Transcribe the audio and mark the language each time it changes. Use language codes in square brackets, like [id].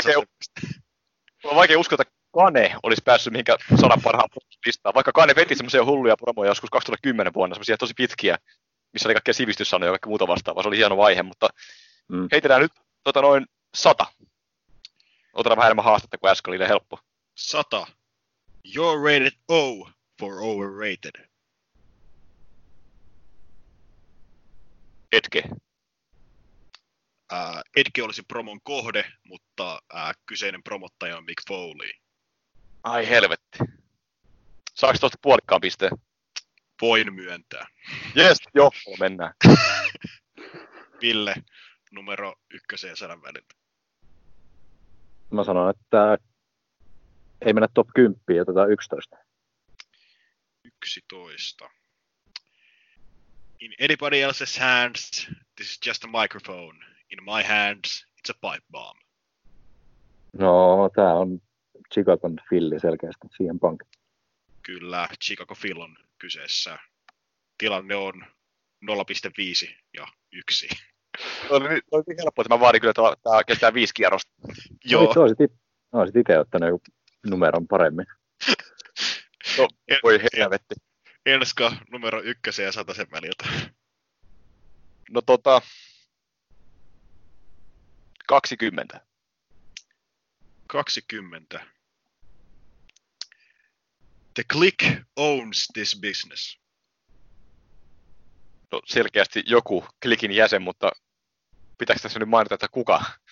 [fi] Mulla on vaikea uskoa, että Kane olisi päässyt mihinkä sadan parhaan listaan. Vaikka Kane veti semmoisia hulluja promoja joskus 2010 vuonna, semmoisia tosi pitkiä, missä oli kaikkea sivistyssanoja ja kaikkea muuta vastaavaa. Se oli hieno vaihe, mutta heitetään nyt noin 100. Otetaan vähän enemmän haastetta, kun äsken oli liian helppo. 100. [en] You're rated O for overrated. [fi] Edge. Edge olisi promon kohde, mutta kyseinen promottaja on Mick Foley. Ai helvetti. Saanko tuosta puolikkaan pisteen? Voin myöntää. Jes, joo, mennään. Ville, numero 1 ja 100 välillä. Mä sanon, että ei mennä top 10, otetaan 11. 11. [en] In anybody else's hands, this is just a microphone. In my hands, it's a pipe bomb. [fi] No, tää on Chicago Philly selkeästi, siihen pank. Kyllä, Chicago Phil on kyseessä. Tilanne on 0.5 ja 1. Toi oli helppo, että mä vaadin kyllä, että tämä kestää 5 kierrosta. Joo. Olisit itse ottanut numeron paremmin. No, voi helvetti. Enska, numero 1 ja 100 väliltä. No 20. 20. [en] The Click owns this business. [fi] No selkeästi joku Clickin jäsen, mutta pitääkö tässä nyt mainita, että kuka?